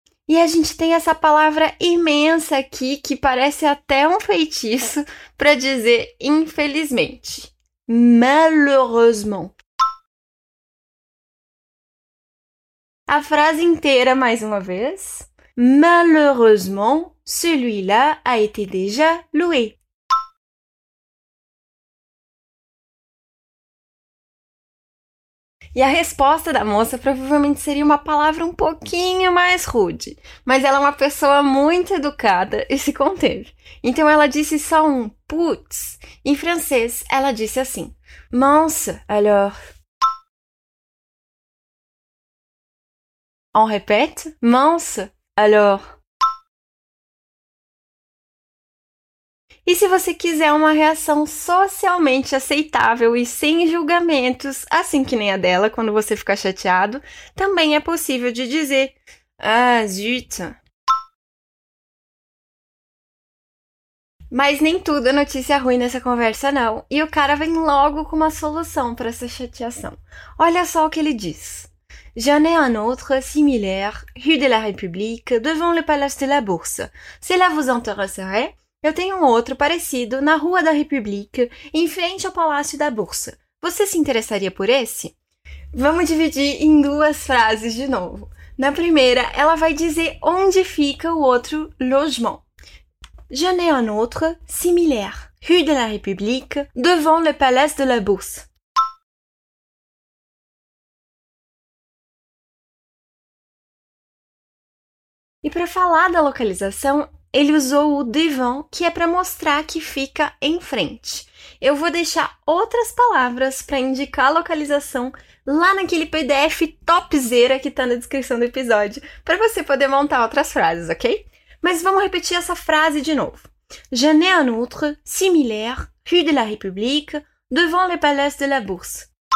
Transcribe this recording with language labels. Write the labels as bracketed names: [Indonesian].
[Portuguese] E a gente tem essa palavra imensa aqui que parece até um feitiço para dizer infelizmente. [French] Malheureusement. [Portuguese] A frase inteira mais uma vez. [French] Malheureusement, celui-là a été déjà loué. [Portuguese] E a resposta da moça provavelmente seria uma palavra um pouquinho mais rude, mas ela é uma pessoa muito educada e se conteve. Então ela disse só um putz. Em francês, ela disse assim: [French] Mince, alors. On répète, mince, alors. [Portuguese] E se você quiser uma reação socialmente aceitável e sem julgamentos, assim que nem a dela, quando você ficar chateado, também é possível de dizer: [French] Ah, zut! [Portuguese] Mas nem tudo é notícia ruim nessa conversa, não. E o cara vem logo com uma solução para essa chateação. Olha só o que ele diz. [French] J'en ai un autre similaire, rue de la République, devant le Palace de la Bourse. Cela vous intéresserait? [Portuguese] Eu tenho um outro parecido na Rua da République, em frente ao Palácio da Bourse. Você se interessaria por esse? Vamos dividir em duas frases de novo. Na primeira, ela vai dizer onde fica o outro logement. [French] J'en ai un autre similaire, rue de la République, devant le Palace de la Bourse. [Portuguese] E para falar da localização, ele usou o devant, que é para mostrar que fica em frente. Eu vou deixar outras palavras para indicar a localização lá naquele PDF topzera que está na descrição do episódio, para você poder montar outras frases, ok? Mas vamos repetir essa frase de novo. [French] Je n'ai un autre similaire, rue de la République, devant le Palais de la Bourse.